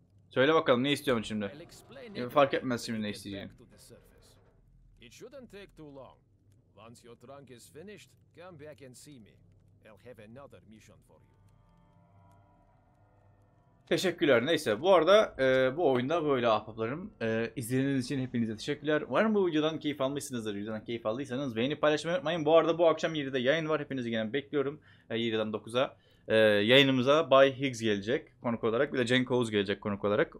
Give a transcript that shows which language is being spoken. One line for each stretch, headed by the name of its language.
Turkish: Söyle bakalım ne istiyorum şimdi. Fark etmez şimdi ne isteyeceğim.
English: It shouldn't take too long. Once your trunk is finished, come back and see me. I'll have another mission for you.
Turkish: Teşekkürler. Neyse. Bu arada bu oyunda böyle ahbaplarım. İzlediğiniz için hepinize teşekkürler. Umarım bu videodan keyif almışsınızdır. Videodan keyif aldıysanız beğeni paylaşmayı unutmayın. Bu arada bu akşam 7'de yayın var. Hepinizi gelen bekliyorum. 7'den 9'a. Yayınımıza Bay Higgs gelecek konuk olarak. Bir de Cenk Oğuz gelecek konuk olarak.